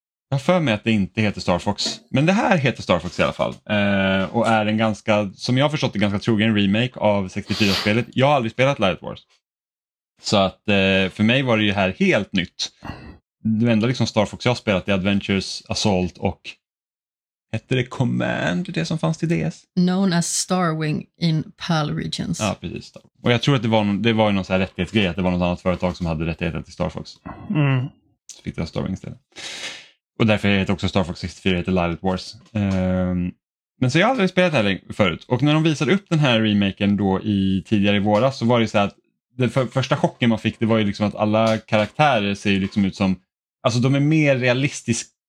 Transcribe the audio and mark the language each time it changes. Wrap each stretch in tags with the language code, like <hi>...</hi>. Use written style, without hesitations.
<sv>Jag för mig att det inte heter Star Fox. Men det här heter Star Fox i alla fall. Och är en ganska, som jag har förstått det, ganska trogen remake av 64-spelet. Jag har aldrig spelat Lilith Wars. Så att för mig var det ju här helt nytt. Det enda liksom Star Fox jag har spelat är Adventures, Assault och... Hette det Command, det som fanns till DS?</sv> <en>Known as Starwing in PAL Regions.</en> <sv>Ja, precis. Och jag tror att det var någon så här rättighetsgrej, att det var något annat företag som hade rättigheter till Star Fox. Mm. Så fick jag Starwing istället. Och därför heter också Star Fox 64, heter Lilith Wars. Men så jag har aldrig spelat det här förut. Och när de visade upp den här remaken då tidigare i våras, så var det så här att den första chocken man fick, det var ju liksom att alla karaktärer ser ju liksom ut som, alltså de är mer realistiska</sv>